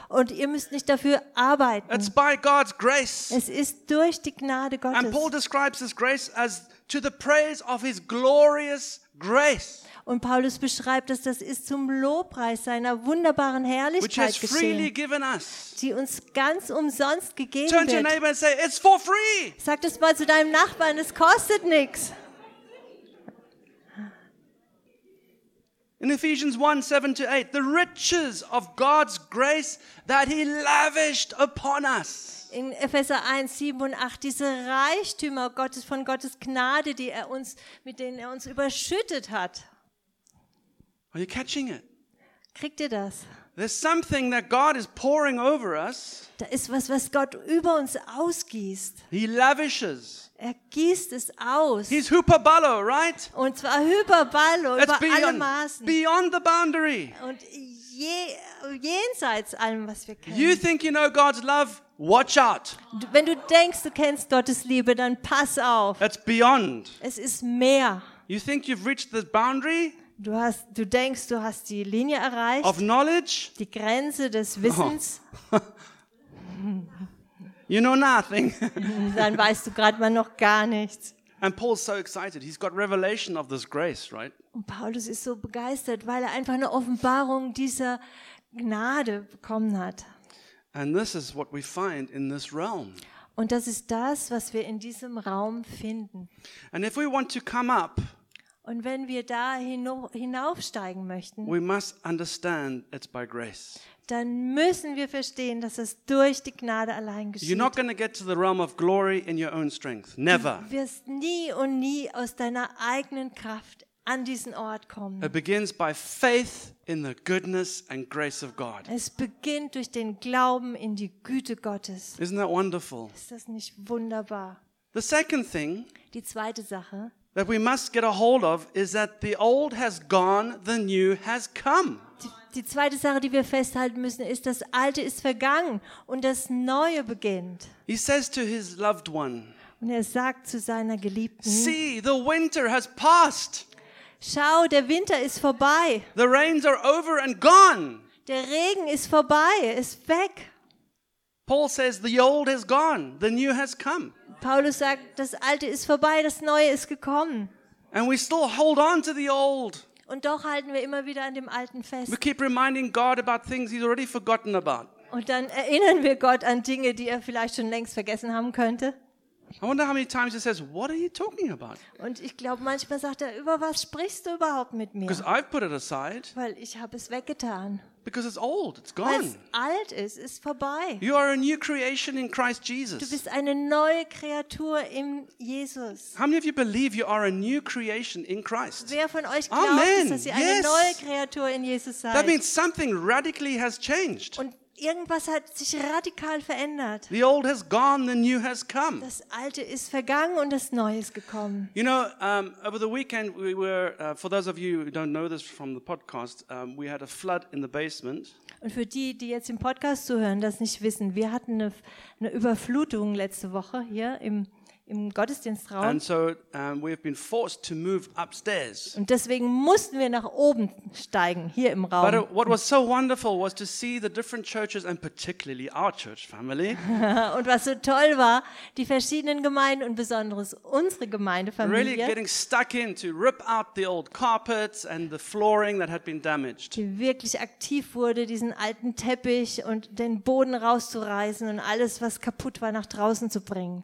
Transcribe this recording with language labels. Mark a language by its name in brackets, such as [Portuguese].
[German] Und ihr müsst nicht dafür arbeiten. [English] It's by God's grace. [German] Es ist durch die Gnade Gottes. [English] And Paul describes this grace as to the praise of his glorious grace. [German] Und Paulus beschreibt, dass das ist zum Lobpreis seiner wunderbaren Herrlichkeit [English] which has freely [German] geschehen, [English] given us. [German] Die uns ganz umsonst gegeben [English] Turn [German] wird. [English] To your neighbor and say, it's for free. [German] Sag das mal zu deinem Nachbarn, es kostet nichts. [English] In Ephesians 1, 7-8, the riches of God's grace that he lavished upon us. [German] In Epheser 1, 7 und 8, diese Reichtümer Gottes von Gottes Gnade, die er uns, mit denen er uns überschüttet hat. [English] Are you catching it? [German] Kriegt ihr das? [English] There's something that God is pouring over us. [German] Da ist was, was Gott über uns ausgießt. [English] He lavishes. [German] Er gießt es aus. [English] He's hyperballo, right? [German] Und zwar hyperballo, über alle Maßen. [English] Beyond the boundary. [German] Und jenseits allem, was wir kennen. [English] You think you know God's love? Watch out. [German] Wenn du denkst, du kennst Gottes Liebe, dann pass auf. [English] It's beyond. [German] Es ist mehr. [English] You think you've reached the boundary? [German] Du denkst, du hast die Linie erreicht. [English] Of knowledge? [German] Die Grenze des Wissens. [English] Oh. You know nothing. [German] Dann weißt du gerade mal noch gar nichts. [English] And Paul's so excited. He's got revelation of this grace, right? [German] Und Paulus ist so begeistert, weil er einfach eine Offenbarung dieser Gnade bekommen hat. [English] And this is what we find in this realm. [German] Und das ist das, was wir in diesem Raum finden. [English] And if we want to come up, [German] und wenn wir da hinaufsteigen möchten, [English] we must understand it's by grace. [German] Dann müssen wir verstehen, dass es durch die Gnade allein geschieht. [English] You're not going to get to the realm of glory in your own strength. Never. [German] Du wirst nie und nie aus deiner eigenen Kraft an diesen Ort kommen. [English] It begins by faith in the goodness and grace of God. [German] Es beginnt durch den Glauben in die Güte Gottes. [English] Isn't that wonderful? [German] Ist das nicht wunderbar? [English] The second thing, [German] die zweite Sache, [English] that we must get a hold of is that the old has gone, the new has come. [German] Die zweite Sache, die wir festhalten müssen, ist, das Alte ist vergangen und das Neue beginnt. [English] He says to his loved one, [German] und er sagt zu seiner Geliebten, [English] see, the winter has passed. [German] Schau, der Winter ist vorbei. [English] The rains are over and gone. [German] Der Regen ist vorbei, ist weg. [English] Paul says, the old has gone, the new has come. [German] Paulus sagt, das Alte ist vorbei, das Neue ist gekommen. [English] And we still hold on to the old. [German] Und doch halten wir immer wieder an dem Alten fest. [English] We keep reminding God about things he's already forgotten about. [German] Und dann erinnern wir Gott an Dinge, die er vielleicht schon längst vergessen haben könnte. [English] I wonder how many times he says, what are you talking about? [German] Und ich glaube, manchmal sagt er, über was sprichst du überhaupt mit mir? [English] Because I've put it aside. [German] Weil ich habe es weggetan. [English] Because it's old, it's gone. [German] Weil es alt ist, ist vorbei. [English] You are a new creation in Christ Jesus. [German] Du bist eine neue Kreatur in Jesus. [English] How many of you believe you are a new creation in Christ? [German] Wer von euch glaubt, dass ihr eine neue Kreatur in Jesus seid? [English] That means something radically has changed. [German] Und Irgendwas hat sich radikal verändert. [English] The old has gone, the new has come. [German] Das Alte ist vergangen und das Neue ist gekommen. [English] You know, over the weekend we were, for those of you who don't know this from the podcast, we had a flood in the basement. [German] Und für die, die jetzt im Podcast zuhören, das nicht wissen, wir hatten eine Überflutung letzte Woche hier im Gottesdienstraum. [English] And so, we have been forced to move upstairs. [German] Und deswegen mussten wir nach oben steigen, hier im Raum. [English] But what was so wonderful was to see the different churches and particularly our church family. [German] Und was so toll war, die verschiedenen Gemeinden und besonders unsere Gemeindefamilie. [English] Really getting stuck in to rip out the old carpets and the flooring that had been damaged. [German] Die wirklich aktiv wurde, diesen alten Teppich und den Boden rauszureißen und alles, was kaputt war, nach draußen zu bringen.